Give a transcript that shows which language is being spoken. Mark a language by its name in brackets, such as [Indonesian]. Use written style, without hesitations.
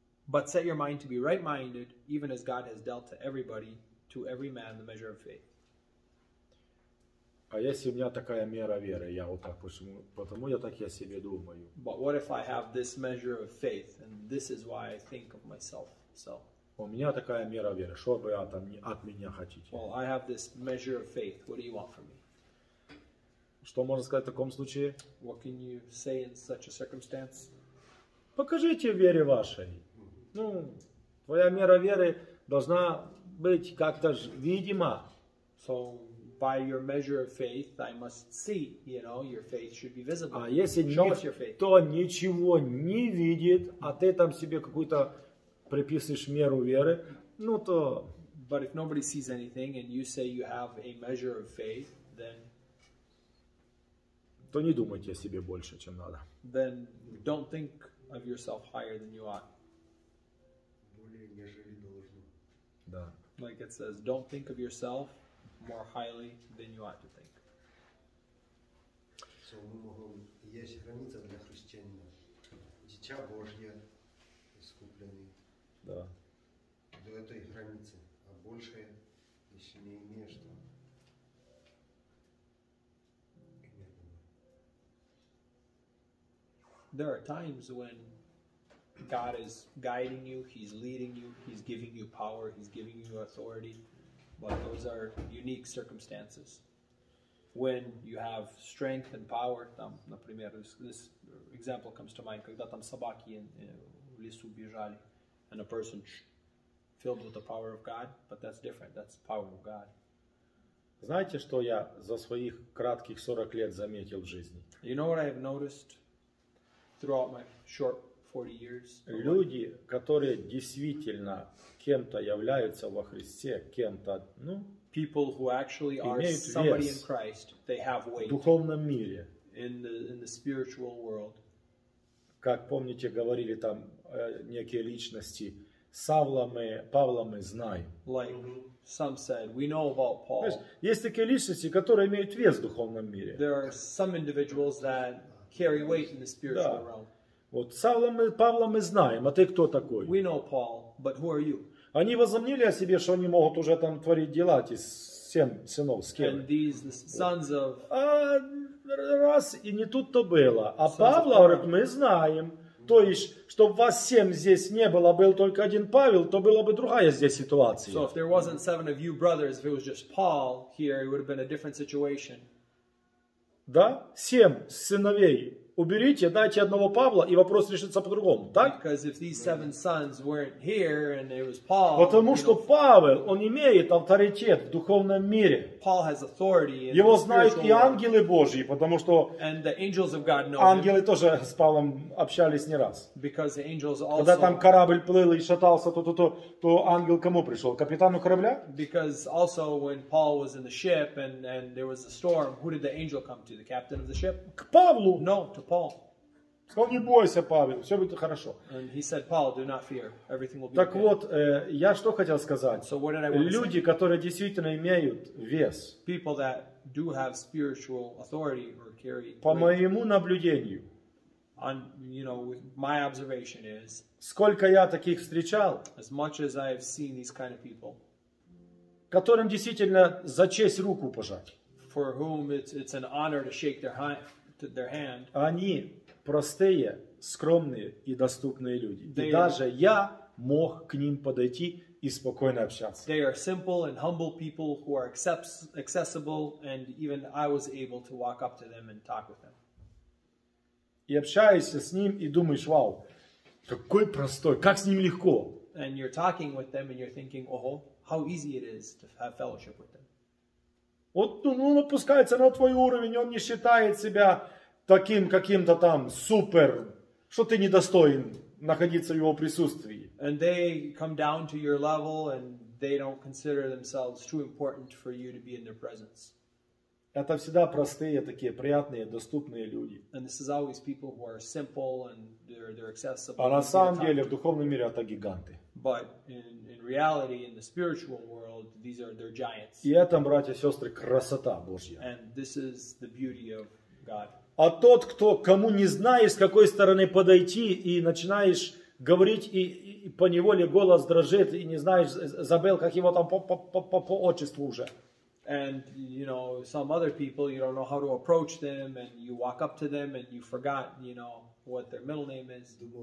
[English] But set your mind to be right-minded, even as God has dealt to every man the measure of faith. [Russian] А если у меня такая мера веры, я вот так почему? Потому я так я себе думаю. [English] But what if I have this measure of faith and this is why I think of myself? So. [Russian] У меня такая мера веры. Что бы я там от меня хотите? [English] Well, I have this measure of faith. What do you want from me? [Russian] Что можно сказать в таком случае? [English] What can you say in such a circumstance? [Russian] Покажите вере вашей. Ну, твоя мера веры должна быть как-то видима. [English] So. By your measure of faith, I must see, you know, your faith should be visible. [Russian] А если [English] show us your faith. [Russian] То ничего не видит, а ты там себе какую-то приписываешь меру веры, ну то... [English] But if nobody sees anything and you say you have a measure of faith, then... [Russian] То не думайте о себе больше, чем надо. [English] Then don't think of yourself higher than you ought. [Russian] Более нежели должно. Да. [English] Like it says, don't think of yourself more highly than you ought to think. [Ukrainian] що ми могли, є границя для хрещення. Дитя Божє скуплене. [Russian] Да. До этой границы, а больше еще не имеешь там. [English] There are times when God is guiding you, He's leading you, He's giving you power, He's giving you authority, but those are unique circumstances. When you have strength and power, [Russian] там, например, [English] this example comes to mind, [Russian] когда там собаки в лесу бежали, [English] and a person filled with the power of God, but that's different, that's the power of God. [Russian] Знаете, что я за своих кратких 40 лет заметил в жизни? [English] You know what I have noticed? Throughout my short 40 years. [Russian] Люди, которые действительно кем-то являются во Христе, кем-то, ну, [English] people who actually are somebody in Christ, they have weight. [Russian] В духовном мире. [English] In the spiritual world. [Russian] Как помните, говорили там некие личности, Павлом мы знаем. [English] Like some said, we know about Paul. [Russian] Есть такие личности, которые имеют вес в духовном мире. [English] There are some individuals that carry weight in the spiritual realm. [Russian] Вот Павла мы знаем, а ты кто такой? [English] We know Paul, but who are you? [Russian] Они возомнили о себе, что они могут уже там творить дела, эти сынов Скевы. [English] And these sons of... [Russian] А раз, и не тут-то было. А Павла, говорит, мы знаем. То есть, чтобы вас семь здесь не было, был только один Павел, то была бы другая здесь ситуация. [English] So if there wasn't seven of you brothers, if it was just Paul here, it would have been a different situation. [Russian] Да? Семь сыновей уберите, дайте одного Павла, и вопрос решится по-другому, так? [English] Because if these seven sons weren't here and it was Paul. [Russian] Потому что Павел, он имеет авторитет в духовном мире. [English] Paul has authority in the spiritual world. [Russian] Его знают и ангелы Божьи, потому что [English] and the angels of God know [Russian] ангелы тоже с Павлом общались не раз. [English] Because the angels also. [Russian] Когда там корабль плыл и шатался, то ангел кому пришел? Капитану корабля? [English] Because also when Paul was in the ship and there was a storm, who did the angel come to? The captain of the ship? [Russian] К Павлу. [English] No. Paul. [Russian] Сказал, не бойся, Павел, все будет хорошо. [English] And he said, Paul, do not fear. Everything will be [Russian] так [English] okay. [Russian] Вот, я что хотел сказать. [English] So what did I [Russian] люди, [English] say? [Russian] Которые действительно имеют вес. [English] People that do have spiritual authority or carry weight. [Russian] По моему наблюдению. [English] You know, my observation is. [Russian] Сколько я таких встречал. [English] As much as I have seen these kind of people. [Russian] Которым действительно за честь руку пожать. [English] For whom it's an honor to shake their hand. [Russian] Они простые, скромные и доступные люди. И даже я мог к ним подойти и спокойно общаться. [English] They are simple and humble people who are accessible, and even I was able to walk up to them and talk with them. [Russian] И общаешься с ним и думаешь, вау, какой простой, как с ним легко. [English] And you're talking with them and you're thinking, oh, how easy it is to have fellowship with them. [Russian] Вот он опускается на твой уровень, он не считает себя таким каким-то там супер, что ты недостоин находиться в его присутствии. [English] And they come down to your level and they don't consider themselves too important for you to be in their presence. [Russian] Это всегда простые, такие приятные, доступные люди. [English] And this is always people who are simple and they're accessible. [Russian] А на самом деле в духовном мире это гиганты. [English] But in reality, in the spiritual world, these are their giants. [Russian] И это, братья и сестры, красота Божья. [English] And this is the beauty of God. [Russian] А тот, кто, кому не знаешь, с какой стороны подойти, и начинаешь говорить, и поневоле голос дрожит, и не знаешь, забыл, как его там по отчеству уже. [English] And, you know, some other people, you don't know how to approach them, and you walk up to them, and you forgot, you know, what their middle name is.